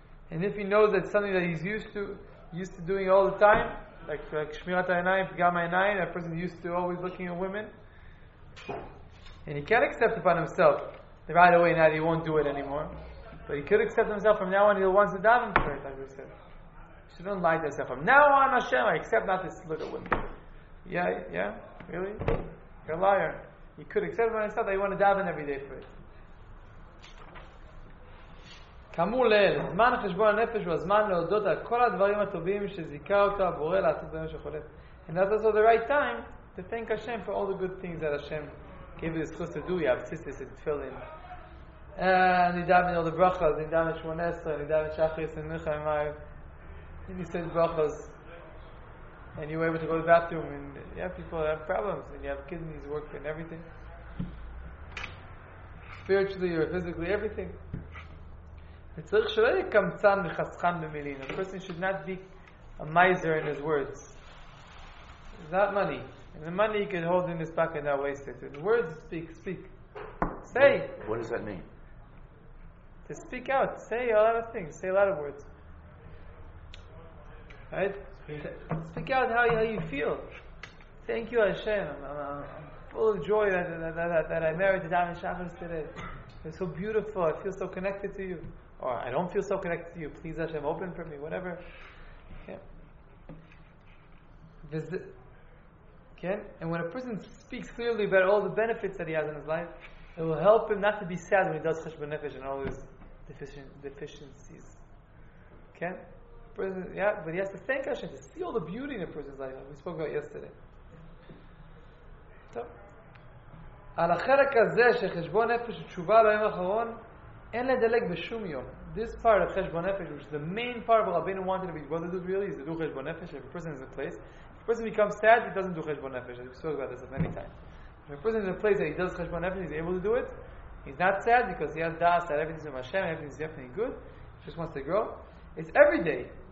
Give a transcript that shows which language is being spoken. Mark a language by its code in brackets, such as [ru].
[en] And if he knows that it's something that he's used to doing all the time, like Shmirat Ha'Einayim, Pgam Ha'Einayim, that person used to always looking at women, and he can't accept upon himself right away that he won't do it anymore, but he could accept himself from now on he wants to daven for it, like we said. He shouldn't lie to himself. From now on, Hashem, I accept not this look at women. Yeah, yeah, really? You're a liar. You could accept my stuff that you want to daven every day for it. [he] כאמור לאל, זמן חשבון הנפש הוא הזמן להודות על כל הדברים הטובים שזיכה אותו הבורא לעשות ביום שחולף. [en] And that's also the right time to thank Hashem for all the good things that Hashem gave you the chus to do. You have tzitzis and tefillin. And you daven all the brachas, you daven shmoneh esrei, you daven shachris and nechah emayim. And you said brachas. And you were able to go to the bathroom. And you have people that have problems. And you have kidneys working and everything. Spiritually or physically, everything. [he] וצריך שלא יהיה קמצן וחסכן במילים. [en] A person should not be a miser in his words. It's not money. And the money he can hold in his pocket and not waste it. And words speak, speak. Say. What does that mean? To speak out. Say a lot of things. Say a lot of words. Right? Speak out how you feel. Thank you, Hashem. I'm full of joy that I married the Davin Shachris today. It's so beautiful. I feel so connected to you. Or I don't feel so connected to you. Please, Hashem, open for me. Whatever. Okay. And when a person speaks clearly about all the benefits that he has in his life, it will help him not to be sad when he does cheshbon nefesh and all his deficiencies. Okay. Person, yeah, but he has to thank Hashem to see all the beauty in a person's life. Like we spoke about yesterday. [he] So, על החלק הזה שחשבון נפש תשובה ליום האחרון. אין לדלג בשום יום. [en] This part of חשבון נפש, which is the main part of what Rabbeinu wanted to be able to do really, is to do חשבון נפש. If a person is in a place, if a person becomes sad, he doesn't do חשבון נפש. We spoke about this many times. If a person is in a place that he does חשבון נפש, he's able to do it. He's not sad because he has das that everything is from Hashem, everything is definitely good. He just wants to grow. It's every day.